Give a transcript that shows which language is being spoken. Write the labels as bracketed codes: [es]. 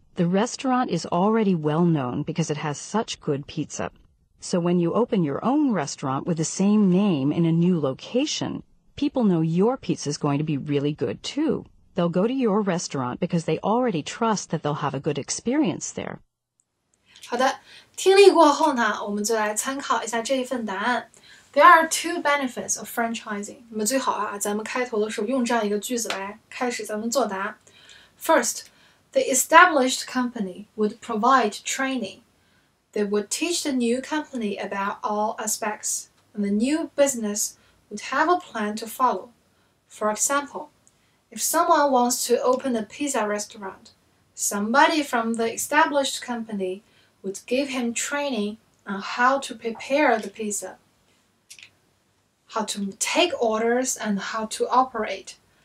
[en] The restaurant is already well known because it has such good pizza. So when you open your own restaurant with the same name in a new location, people know your pizza is going to be really good too. They'll go to your restaurant because they already trust that they'll have a good experience there. [zh] 好的，听力过后呢，我们就来参考一下这一份答案。 [en] There are two benefits of franchising. [zh] 那么最好啊，咱们开头的时候用这样一个句子来开始咱们作答。 [en] First,The established company would provide training. They would teach the new company about all aspects, and the new business would have a plan to follow. For example, if someone wants to open a pizza restaurant, somebody from the established company would give him training on how to prepare the pizza, how to take orders, and how to operate.